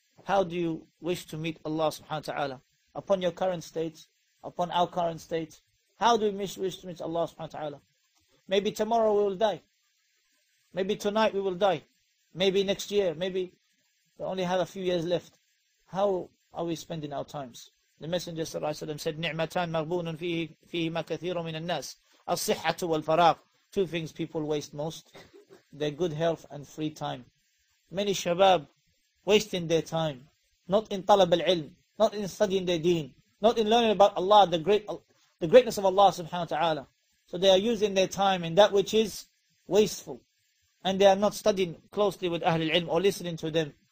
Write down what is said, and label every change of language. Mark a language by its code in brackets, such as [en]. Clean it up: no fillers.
[en] How do you wish to meet Allah subhanahu wa ta'ala? Upon your current state, upon our current state, how do we wish to meet Allah subhanahu wa ta'ala? Maybe tomorrow we will die. Maybe tonight we will die. Maybe next year, maybe we only have a few years left. How are we spending our times? The Messenger sallallahu alayhi wa sallam said, [ar] نِعْمَتَان مَغْبُونٌ فِيهِمَا كَثِيرٌ مِنَ النَّاسِ الصِّحَّةُ وَالْفَرَاغُ. [en] Two things people waste most, their good health and free time. Many shabab wasting their time, not in talab al-ilm, not in studying their deen, not in learning about Allah, the greatness of Allah subhanahu wa ta'ala. So they are using their time in that which is wasteful. And they are not studying closely with Ahlul Ilm or listening to them.